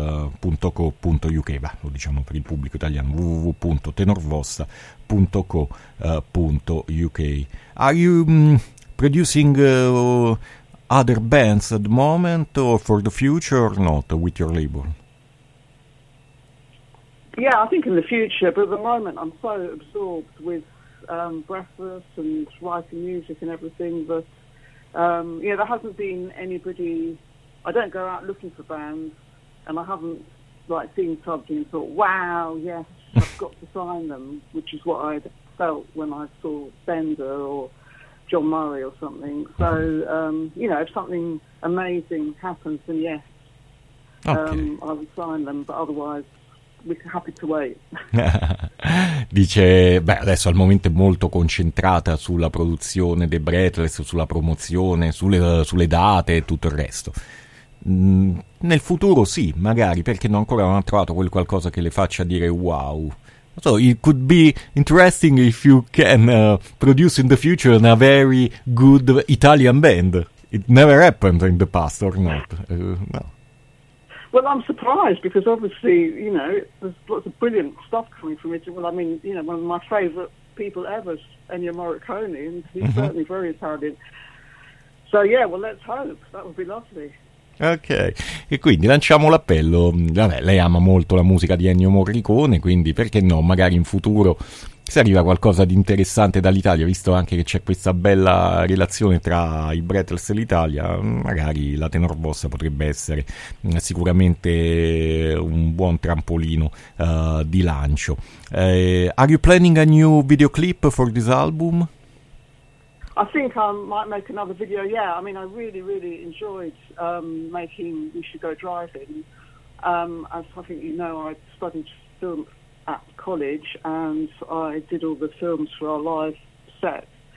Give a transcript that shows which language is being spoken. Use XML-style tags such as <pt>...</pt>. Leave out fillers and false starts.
<it>www.tenorvossa.co.uk, va, lo diciamo per il pubblico italiano, www.tenorvossa.co.uk.</it> <en>Are you producing other bands at the moment or for the future or not with your label? Yeah, I think in the future, but at the moment I'm so absorbed with Breathless and writing music and everything that, yeah, there hasn't been anybody. I don't go out looking for bands, and I haven't like seen something and thought, wow, yes, I've got to sign them, which is what I felt when I saw Bender or John Murray or something. So, you know, if something amazing happens, then yes, okay, I would sign them, but otherwise, happy to wait.</en> <it>Dice, beh, adesso al momento è molto concentrata sulla produzione dei Breathless, sulla promozione, sulle date e tutto il resto. Nel futuro sì, magari, perché non ancora hanno trovato quel qualcosa che le faccia dire wow.</it> <en>So it could be interesting if you can produce in the future a very good Italian band. It never happened in the past or not. No. Well, I'm surprised because obviously, you know, there's lots of brilliant stuff coming from Italy. Well, I mean, you know, one of my favourite people ever is Ennio Morricone, and he's certainly very Italian. So yeah, well, let's hope. That would be lovely.</en> <it>Ok, e quindi lanciamo l'appello. Vabbè, lei ama molto la musica di Ennio Morricone, quindi perché no, magari in futuro se arriva qualcosa di interessante dall'Italia, visto anche che c'è questa bella relazione tra i Breathless e l'Italia, magari la Tenor Vossa potrebbe essere sicuramente un buon trampolino di lancio.</it> <en>Are you planning a new videoclip for this album? I think I might make another video, yeah. I mean, I really, really enjoyed making We Should Go Driving. As I think you know, I studied film at college and I did all the films for our live set.</en>